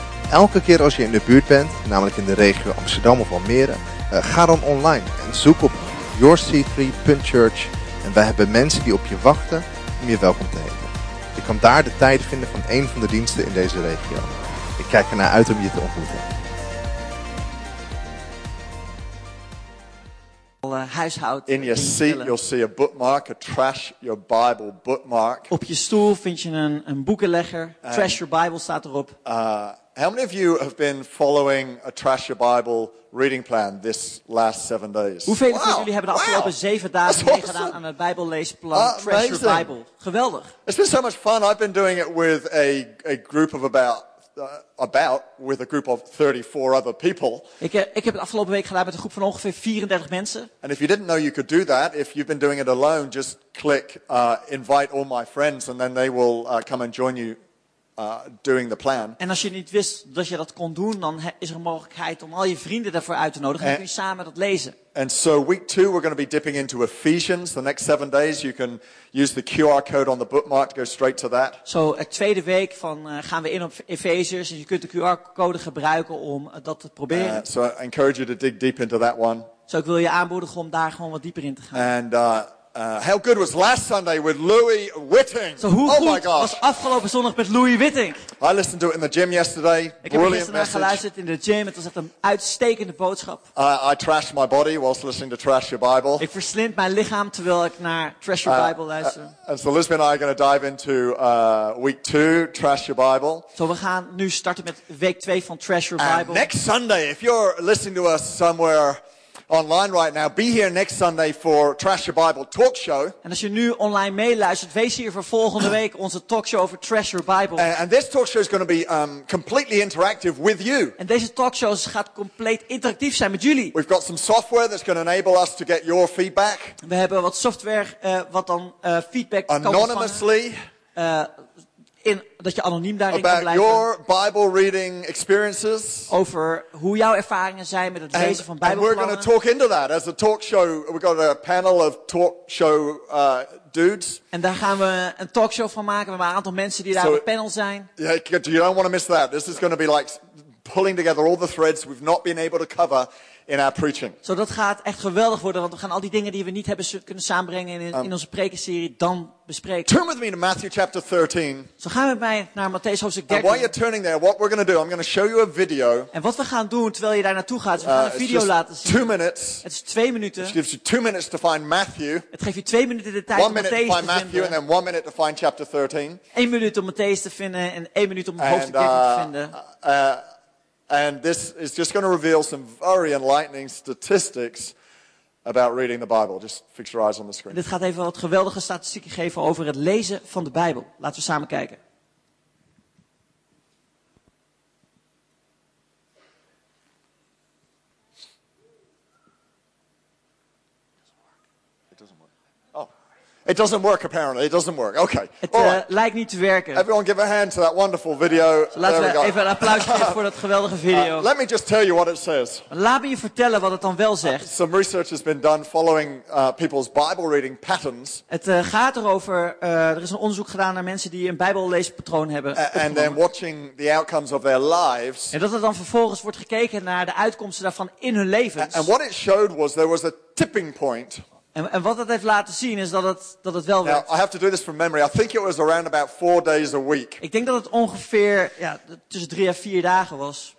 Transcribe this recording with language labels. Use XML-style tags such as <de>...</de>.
<nl>Elke keer als je in de buurt bent, namelijk in de regio Amsterdam of Almere, ga dan online en zoek op yourc3.church en wij hebben mensen die op je wachten om je welkom te heten. Je kan daar de tijd vinden van een van de diensten in deze regio. Ik kijk ernaar uit om je te ontmoeten.</nl> <en>In your seat, you'll see a bookmark, a trash your Bible bookmark.</en> <nl>Op je stoel vind je een boekenlegger. Trash your Bible staat erop.</nl> <en>How many of you have been following a trash your Bible reading plan this last 7 days?</en> <nl>Hoeveel van jullie hebben de afgelopen 7 dagen meegedaan aan het Bijbelleesplan Trash Your Bible? Geweldig.</nl> <en>It's been so much fun. I've been doing it with a group of about with a group of 34 other people.</en> <nl>Ik heb het afgelopen week gedaan met een groep van ongeveer 34 mensen.</nl> <en>And if you didn't know you could do that, if you've been doing it alone, just click invite all my friends and then they will come and join you doing the plan.</en> <nl>En als je niet wist dat je dat kon doen, dan is er een mogelijkheid om al je vrienden daarvoor uit te nodigen en kun je samen dat lezen.</nl> <en>And so week 2 we're going to be dipping into Ephesians. The next 7 days you can use the QR code on the bookmark to go straight to that.</en> <nl>So de tweede week van gaan we in op Ephesians en je kunt de QR code gebruiken om dat te proberen.</nl> <en>So I encourage you to dig deep into that one.</en> <nl>So ik wil je aanmoedigen om daar gewoon wat dieper in te gaan.</nl> <en>And how good was last Sunday with Louis Whiting?</en> <nl>So hoe goed was afgelopen zondag met Louis Whiting?</nl> <en>I listened to it in the gym yesterday. Brilliant message.</en> <nl>Ik heb gisteren geluisterd in de gym. Het was echt een uitstekende boodschap.</nl> <en>I trashed my body whilst listening to Trash Your Bible.</en> <nl>Ik verslind mijn lichaam terwijl ik naar Trash Your Bible luister.</nl> <en>And so Lisbeth and I are going to dive into week 2, Trash Your Bible.</en> <nl>So we gaan nu starten met week 2 van Trash Your Bible.</nl> <en>And next Sunday, if you're listening to us somewhere online right now, be here next Sunday for Trash Your Bible talk show.</en> <nl>En als je nu online meeluistert, wees hier voor volgende week onze talk show over Trash Your Bible.</nl> <en>And this talk show is going to be completely interactive with you.</en> <nl>En deze talk show gaat compleet interactief zijn met jullie.</nl> <en>We've got some software that's going to enable us to get your feedback.</en> <nl>We hebben wat software wat dan feedback kan ontvangen.</nl> <en>Anonymously.</en> <nl>Dat je anoniem daarin kan blijven.</nl> <en>About your Bible reading experiences.</en> <nl>Over hoe jouw ervaringen zijn met het lezen van Bijbelplannen.</nl> <en>And we're going to talk into that as a talk show. We've got a panel of talk show dudes.</en> <nl>En daar gaan we een talkshow van maken met een aantal mensen die daar op panel zijn.</nl> <en>Yeah, you don't want to miss that. This is going to be like pulling together all the threads we've not been able to cover in our preaching.</en> <nl>So dat gaat echt geweldig worden, want we gaan al die dingen die we niet hebben kunnen samenbrengen in onze prekenserie dan bespreken.</nl> <en>Turn with me to Matthew chapter 13.</en> <nl>So gaan we mij naar Matthäus hoofdstuk 13.</nl> <en>And while you're turning there, what we're going to do, I'm going to show you a video.</en> <nl>En wat we gaan doen terwijl je daar naartoe gaat, is we gaan een video laten zien.</nl> <en>2 minutes.</en> <nl>Het is 2 minuten.</nl> <en>It gives you 2 minutes to find Matthew.</en> <nl>Het geeft je 2 minuten de tijd om Matthäus te vinden.</nl> <en>1 minute and then 1 minute to find chapter 13.</en> <nl>1 minuut om Matthäus te vinden en 1 minuut om hoofdstuk 13 te vinden.</nl> <en>And this is just going to reveal some very enlightening statistics about reading the Bible. Just fix your eyes on the screen.</en> <nl>Dit gaat even wat geweldige statistieken geven over het lezen van de Bijbel. Laten we samen kijken.</nl> <en>It doesn't work, apparently. It doesn't work. Okay.</en> <nl>Lijkt niet te werken.</nl> <en>Everyone give a hand to that wonderful video.</en> <nl>So laten we even een applaus geven voor dat geweldige video.</nl> <en>Let me just tell you what it says.</en> <nl>Laat me je vertellen wat het dan wel zegt.</nl> <en>Some research has been done following people's Bible reading patterns.</en> <nl>Het gaat erover, er is een onderzoek gedaan naar mensen die een Bijbelleespatroon hebben.</nl> <en>And then watching the outcomes of their lives.</en> <nl>En dat er dan vervolgens wordt gekeken naar de uitkomsten daarvan in hun levens.</nl> <en>And what it showed was there was a tipping point.</en> <nl>En wat dat heeft laten zien is dat het wel werkt.</nl> <en>I have to do this from memory. I think it was around about 4 days a week.</en> <nl>Ik denk dat het ongeveer tussen 3 à 4 dagen was.</nl>